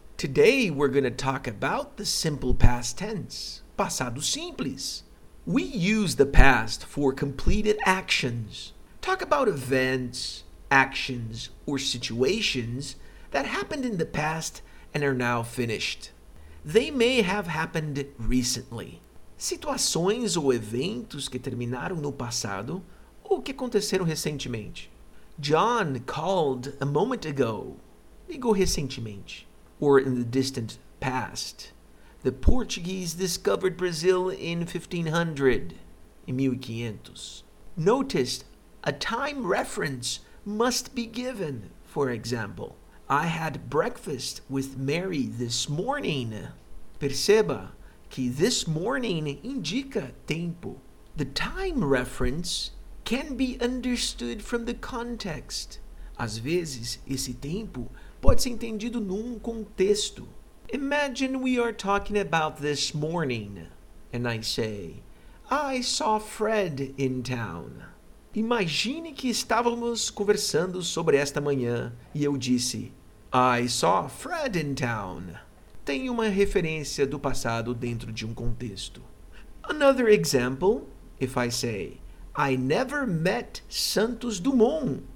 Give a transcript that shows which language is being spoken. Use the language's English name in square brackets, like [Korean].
[English] Today, we're going to talk about the simple past tense, [Portuguese] passado simples. [English] We use the past for completed actions. Talk about events, actions, or situations that happened in the past and are now finished. They may have happened recently. [Portuguese] Situações ou eventos que terminaram no passado ou que aconteceram recentemente. [English] John called a moment ago. [Portuguese] Ligou recentemente. [English] Or in the distant past. The Portuguese discovered Brazil in 1500. [Portuguese] Em 1500. [English] Notice, a time reference must be given. For example, I had breakfast with Mary this morning. [Portuguese] Perceba que [English] this morning [Portuguese] indica tempo. [English] The time reference can be understood from the context. [Portuguese] Às vezes, esse tempo pode ser entendido num contexto. [English] Imagine we are talking about this morning. And I say, I saw Fred in town. [Portuguese] Imagine que estávamos conversando sobre esta manhã e eu disse, [English] I saw Fred in town. [Portuguese] Tem uma referência do passado dentro de contexto. [English] Another example, if I say, I never met Santos Dumont.